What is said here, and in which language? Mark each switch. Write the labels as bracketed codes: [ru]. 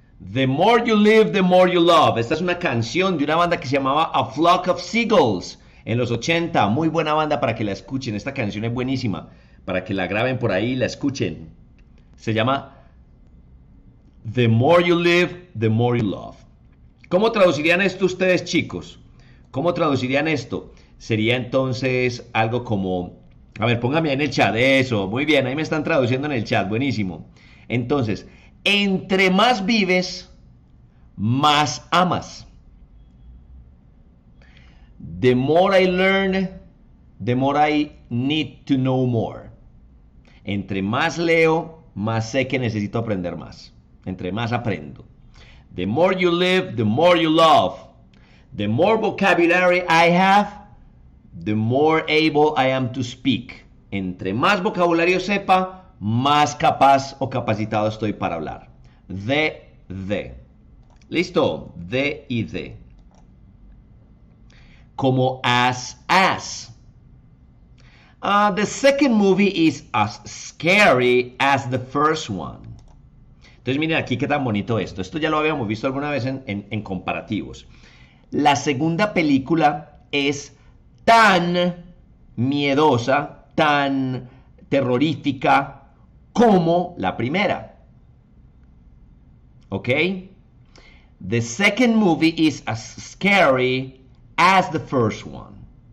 [en] The more you live, the more you love. [es] Esta es una canción de una banda que se llamaba A Flock of Seagulls en los 80. Muy buena banda para que la escuchen. Esta canción es buenísima para que la graben por ahí y la escuchen. Se llama [en] The more you live, the more you love. [es] ¿Cómo traducirían esto ustedes, chicos? ¿Cómo traducirían esto? Sería entonces algo como... A ver, póngame en el chat eso. Muy bien, ahí me están traduciendo en el chat. Buenísimo. Entonces... Entre más vives, más amas. [en] The more I learn, the more I need to know more. [es] Entre más leo, más sé que necesito aprender más. Entre más aprendo. [en] The more you live, the more you love. The more vocabulary I have, the more able I am to speak. [es] Entre más vocabulario sepa, más capaz o capacitado estoy para hablar. De. ¿Listo? De. Como as. [en] The second movie is as scary as the first one. [es] Entonces, miren aquí qué tan bonito esto. Esto ya lo habíamos visto alguna vez en comparativos. La segunda película es tan miedosa, tan terrorífica como la primera. [en] Okay? The second movie is as scary as the first one.